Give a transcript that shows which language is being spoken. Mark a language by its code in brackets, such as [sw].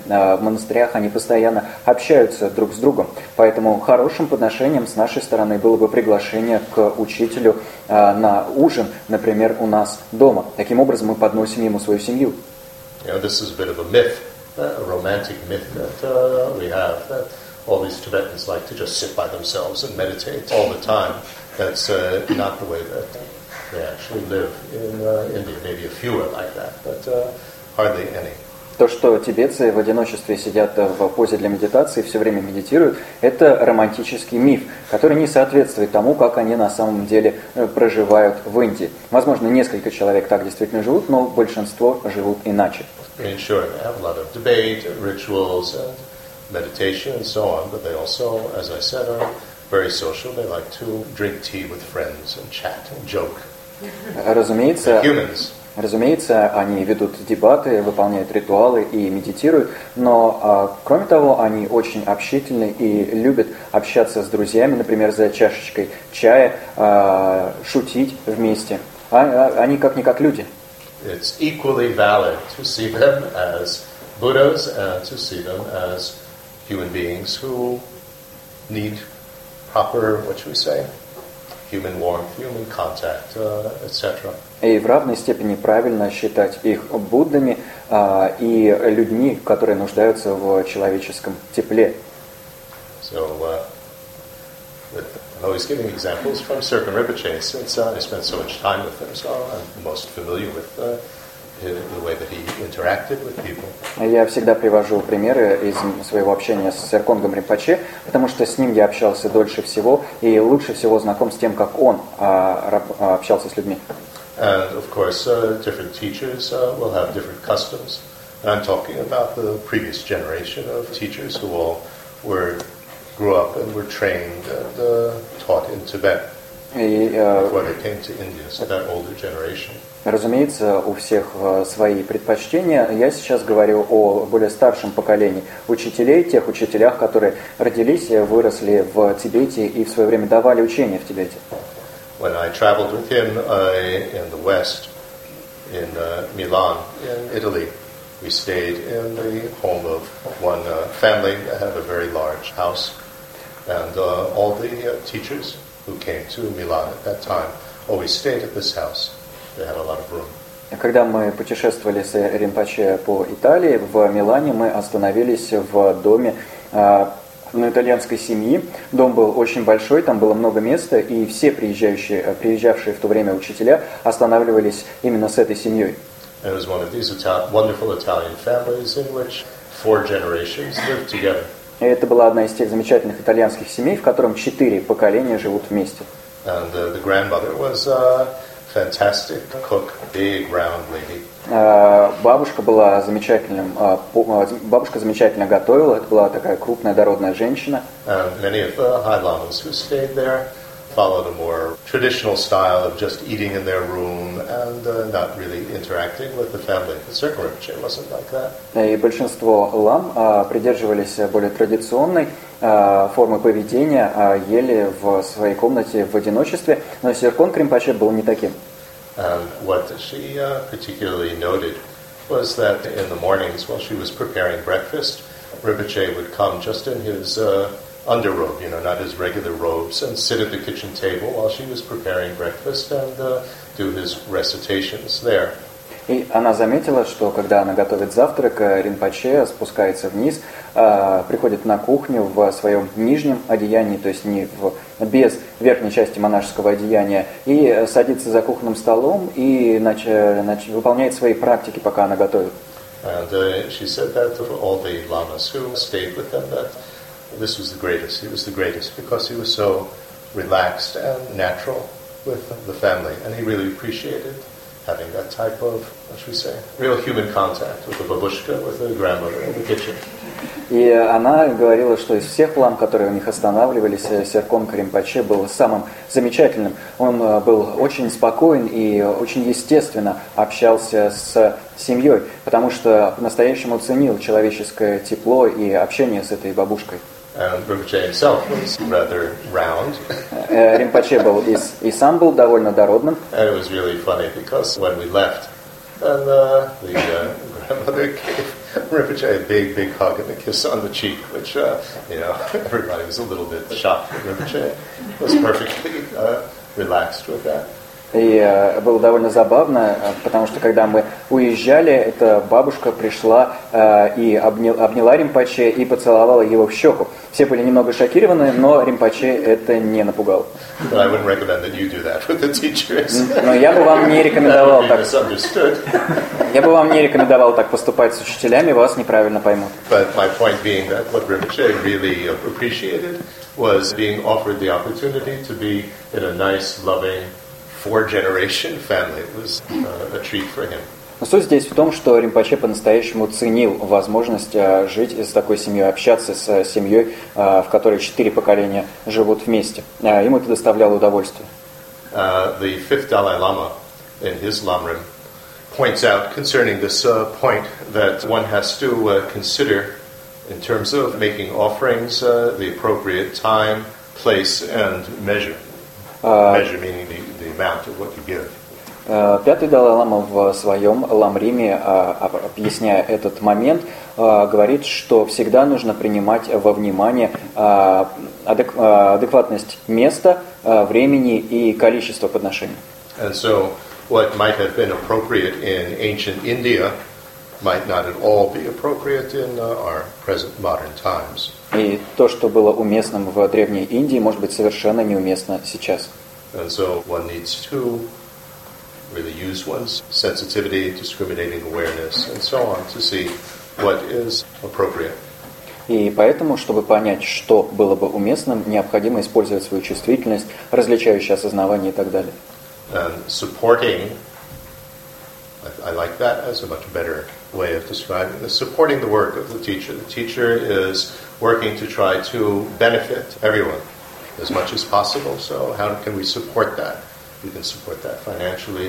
[ru] В монастырях они постоянно общаются друг с другом. Поэтому хорошим подношением с нашей стороны было бы приглашение к учителю на ужин, например, у нас дома. Таким образом, мы подносим ему свою семью. [en] You know, this is a bit of a myth, a romantic myth that we have, that all these Tibetans like to just sit by themselves and meditate all the time. That's not the way that they actually live in India. Maybe a few are like that, but hardly any. [ru] То, что тибетцы в одиночестве сидят в позе для медитации и все время медитируют, это романтический миф, который не соответствует тому, как они на самом деле проживают в Индии. Возможно, несколько человек так действительно живут, но большинство живут иначе. [en] In short, they have a lot of debate, rituals, and meditation, and so on, but they also, as I said, are very social. They like to drink tea with friends and chat and joke. [ru] Разумеется, Разумеется, они ведут дебаты, выполняют ритуалы и медитируют, но, кроме того, они очень общительны и любят общаться с друзьями, например, за чашечкой чая, шутить вместе. Они как-никак люди. [en] It's equally valid to see them as Buddhas and to see them as human beings who need proper, what should we say, human warmth, human contact, etc. [ru] И в равной степени правильно считать их Буддами и людьми, которые нуждаются в человеческом тепле. [en] So, I'm always giving examples from Serpen Rinpoche, since I spent so much time with him, so I'm most familiar with the way that he interacted with people. [ru] Я всегда привожу примеры из своего общения с Серпенгом Ринпоче, потому что с ним я общался дольше всего и лучше всего знаком с тем, как он общался с людьми. [en] And of course, different teachers will have different customs. And I'm talking about the previous generation of teachers who all grew up and were trained and taught in Tibet before they came to India. So that older generation. [ru] Разумеется, у всех свои предпочтения. Я сейчас говорю о более старшем поколении учителей, тех учителях, которые родились, выросли в Тибете и в свое время давали учение в Тибете. [en] When I traveled with him in the West, in Milan, in Italy, we stayed in the home of one family that had a very large house. And all the teachers who came to Milan at that time always stayed at this house. They had a lot of room. [ru] Когда мы путешествовали с Ринпоче по Италии, в Милане мы остановились в доме одной итальянской семьи. Дом был очень большой, там было много места, и все приезжавшие в то время учителя останавливались именно с этой семьей. [en] It was one of these wonderful Italian families in which four generations lived together. [ru] И это была одна из тех замечательных итальянских семей, в котором четыре поколения живут вместе. [en] And the grandmother was a fantastic cook, big round lady. [ru] Бабушка замечательно готовила. Это была такая крупная дородная женщина. [en] And many of the high lamas who stayed there followed a more traditional style of just eating in their room and not really interacting with the family. The circle room wasn't like that. [ru] И большинство лам придерживались более традиционной формы поведения, ели в своей комнате в одиночестве, но Сиркон Кримпаче был не таким. [en] And what she particularly noted was that in the mornings while she was preparing breakfast, Rinpoche would come just in his underrobe, you know, not his regular robes, and sit at the kitchen table while she was preparing breakfast and do his recitations there. [ru] И она заметила, что когда она готовит завтрак, Ринпоче спускается вниз, приходит на кухню в своем нижнем одеянии, то есть без верхней части монашеского одеяния, и садится за кухонным столом и выполняет свои практики, пока она готовит. [en] And she said that of all the lamas who stayed with them, that this was the greatest. He was the greatest because he was so relaxed and natural with the family, and he really appreciated having that type of, what should we say, real human contact with a babushka, with a grandmother in the kitchen. [ru] И она говорила, что из всех лам, которые у них останавливались, Сиркон Кримпаче был самым замечательным. Он был очень спокоен и очень естественно общался с семьей, потому что по-настоящему ценил человеческое тепло и общение с этой бабушкой. [en] And Rinpoche himself was rather round. [ru] Rinpoche был довольно дородным. [en] And it was really funny because when we left, and the grandmother gave Rinpoche a big, big hug and a kiss on the cheek, which everybody was a little bit shocked. Rinpoche was perfectly relaxed with that. [ru] И было довольно забавно, потому что когда мы уезжали, эта бабушка пришла и обняла Ринпоче и поцеловала его в щеку. Все были немного шокированы, но Ринпоче это не напугал. Но я бы вам не рекомендовал так. Я бы вам не рекомендовал так поступать с учителями, вас неправильно поймут. [en] But my point being that what Ринпоче really appreciated was being offered the opportunity to be in a nice, loving four-generation family. It was a treat for him. [ru] Но суть здесь в том, что Ринпоче по-настоящему ценил возможность жить с такой семьей, общаться с семьей, в которой четыре поколения живут вместе. Ему это доставляло удовольствие. [en] The fifth Dalai Lama in his Lamrim points out concerning this point that one has to consider in terms of making offerings the appropriate time, place, and measure. Measure meaning the amount of what you give. [ru] Пятый Далай-лама в своем Ламриме, объясняя этот момент, говорит, что всегда нужно принимать во внимание адекватность места, времени и количества подношений. [en] And so what might have been appropriate in ancient India might not at all be appropriate in our present modern times. [ru] И то, что было уместным в древней Индии, может быть совершенно неуместно сейчас. [en] And so one needs to really use one's sensitivity, discriminating awareness, and so on to see what is appropriate. [ru] И поэтому, чтобы понять, что было бы уместным, необходимо использовать свою чувствительность, различающее осознавание и так далее. [en] And supporting, I like that as a much better way of describing this, supporting the work of the teacher. The teacher is working to try to benefit everyone as much as possible. So how can we support that? You can support that financially.